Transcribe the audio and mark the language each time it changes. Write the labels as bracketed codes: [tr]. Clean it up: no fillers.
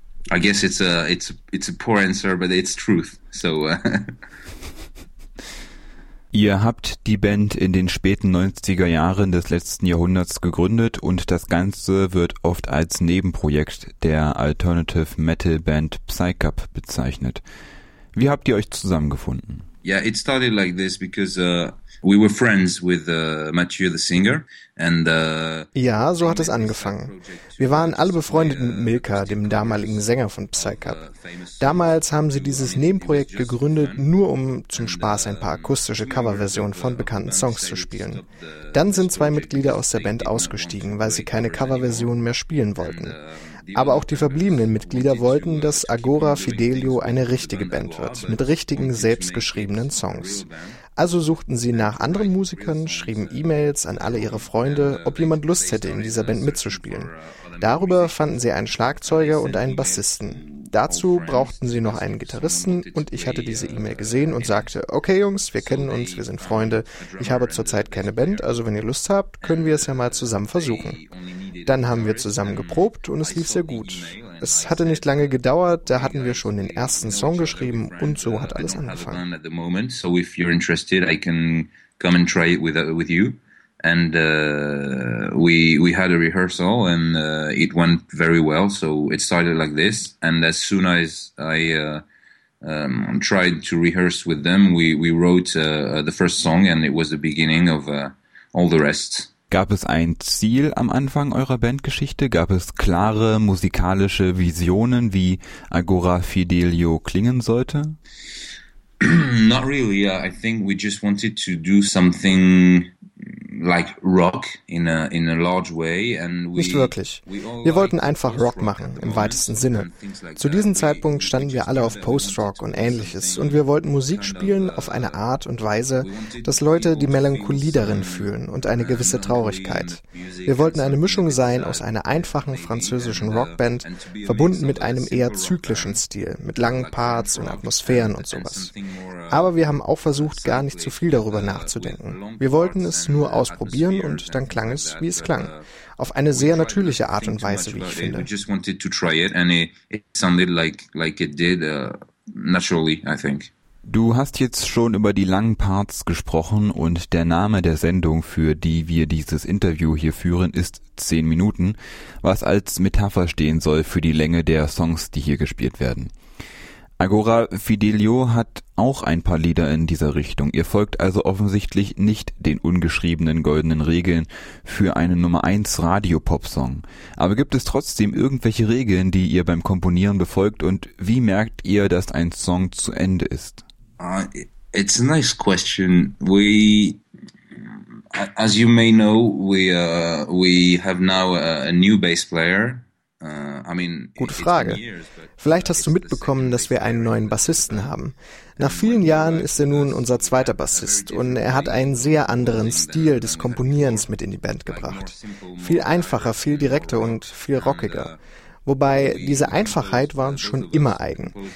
[en] I guess it's a poor answer, but it's truth. So. [de] Ihr habt die Band in den späten 90er Jahren des letzten Jahrhunderts gegründet und das Ganze wird oft als Nebenprojekt der Alternative Metal Band Psycup bezeichnet. Wie habt ihr euch zusammengefunden? [en] Yeah, it started like this because we were friends with Mathieu the singer and [de] ja, so hat es angefangen. Wir waren alle befreundet mit Milka, dem damaligen Sänger von Psycup. Damals haben sie dieses Nebenprojekt gegründet, nur um zum Spaß ein paar akustische Coverversionen von bekannten Songs zu spielen. Dann sind zwei Mitglieder aus der Band ausgestiegen, weil sie keine Coverversionen mehr spielen wollten. Aber auch die verbliebenen Mitglieder wollten, dass Agora Fidelio eine richtige Band wird, mit richtigen, selbstgeschriebenen Songs. Also suchten sie nach anderen Musikern, schrieben E-Mails an alle ihre Freunde, ob jemand Lust hätte, in dieser Band mitzuspielen. Darüber fanden sie einen Schlagzeuger und einen Bassisten. Dazu brauchten sie noch einen Gitarristen und ich hatte diese E-Mail gesehen und sagte, okay Jungs, wir kennen uns, wir sind Freunde, ich habe zurzeit keine Band, also wenn ihr Lust habt, können wir es ja mal zusammen versuchen. Dann haben wir zusammen geprobt und es lief sehr gut. Es hatte nicht lange gedauert, da hatten wir schon den ersten Song geschrieben und so hat alles angefangen. [en] So if you're interested, I can come and try it with you. And we had a rehearsal and it went very well, so it started like this. And as soon as I tried to rehearse with them, we wrote the first song and it was the beginning of all the rest. [de] Gab es ein Ziel am Anfang eurer Bandgeschichte? Gab es klare musikalische Visionen, wie Agora Fidelio klingen sollte? [en] Not really. I think we just wanted to do something like rock in a large way. And [de] nicht wirklich. Wir wollten einfach Rock machen, im weitesten Sinne. Zu diesem Zeitpunkt standen wir alle auf Post-Rock und Ähnliches und wir wollten Musik spielen auf eine Art und Weise, dass Leute die Melancholie darin fühlen und eine gewisse Traurigkeit. Wir wollten eine Mischung sein aus einer einfachen französischen Rockband, verbunden mit einem eher zyklischen Stil, mit langen Parts und Atmosphären und sowas. Aber wir haben auch versucht, gar nicht zu viel darüber nachzudenken. Wir wollten es nur ausprobieren und dann klang es, wie es klang. Auf eine sehr natürliche Art und Weise, wie ich finde. [en] We just wanted to try it and it sounded like it did naturally, I think. [de] Du hast jetzt schon über die langen Parts gesprochen und der Name der Sendung, für die wir dieses Interview hier führen, ist 10 Minuten, was als Metapher stehen soll für die Länge der Songs, die hier gespielt werden. Agora Fidelio hat auch ein paar Lieder in dieser Richtung. Ihr folgt also offensichtlich nicht den ungeschriebenen goldenen Regeln für einen Nummer 1 Radio-Pop-Song. Aber gibt es trotzdem irgendwelche Regeln, die ihr beim Komponieren befolgt und wie merkt ihr, dass ein Song zu Ende ist? [en] It's a nice question. We, as you may know, we have now a new bass player. [de] Gute Frage. Vielleicht hast du mitbekommen, dass wir einen neuen Bassisten haben. Nach vielen Jahren ist er nun unser zweiter Bassist und er hat einen sehr anderen Stil des Komponierens mit in die Band gebracht. Viel einfacher, viel direkter und viel rockiger. Wobei, diese Einfachheit war uns schon immer eigen.